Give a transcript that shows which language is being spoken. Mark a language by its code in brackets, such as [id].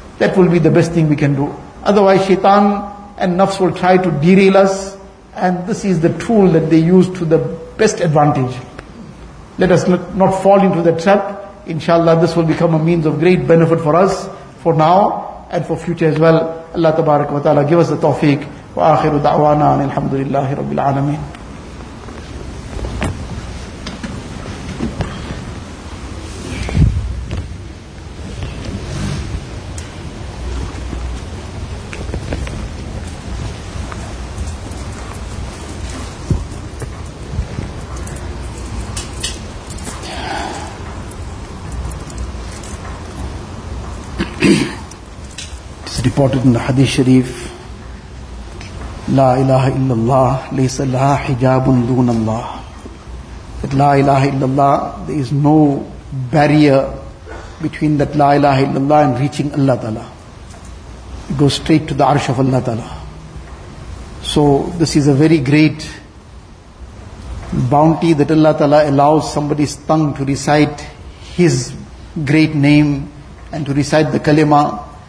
[en] That will be the best thing we can do. Otherwise, shaitan and nafs will try to derail us, and this is the tool that they use to the best advantage. Let us not fall into that trap. Inshallah, this will become a means of great benefit for us, for now, and for future as well. Allah Tabarak wa Ta'ala, give us the tawfiq. [ar] وآخر دعوانا أن الحمد لله رب العالمين [en] It is reported in the Hadith Sharif, [ar] لا إله إلا الله ليس لها حجاب دون الله. [en] That لا إله إلا الله, there is no barrier between that لا إله إلا الله and reaching Allah Ta'ala. It goes straight to the arsh of Allah Ta'ala. So this is a very great bounty that Allah Ta'ala allows somebody's tongue to recite His great name and to recite the kalima.